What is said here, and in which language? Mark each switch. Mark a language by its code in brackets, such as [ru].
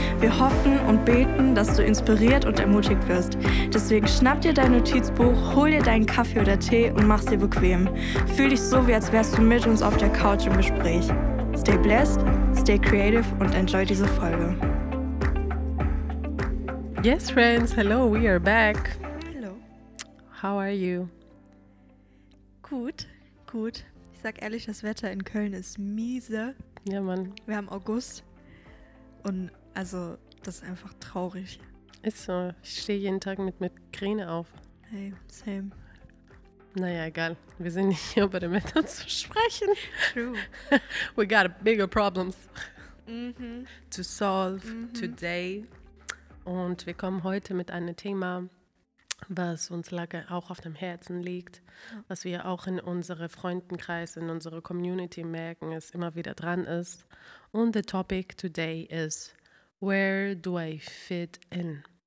[de] Wir hoffen und beten, dass du inspiriert und ermutigt wirst. Deswegen schnapp dir dein Notizbuch, hol dir deinen Kaffee oder Tee und mach's dir bequem. Fühl dich so, wie als wärst du mit uns auf der Couch im Gespräch. [en] Stay blessed, stay creative [de] und [en] enjoy [de] diese Folge. [en] Yes, friends, hello, we are back. How are you? [de] Gut, gut. Ich sag ehrlich, das Wetter in Köln ist miese. Ja, Mann. Wir haben August und also das ist einfach traurig. Ist so. Ich stehe jeden Tag mit Migräne auf. [en] Hey, same. [de] Naja, egal. Wir sind nicht hier, über dem Wetter zu sprechen. [en] True. We got bigger problems to solve today. [de] Und wir kommen heute mit einem Thema, was uns lange auch auf dem Herzen liegt, was wir auch in unserem Freundenkreis, in unserer Community merken, es immer wieder dran ist. Und [en] the topic today is, where do I fit in?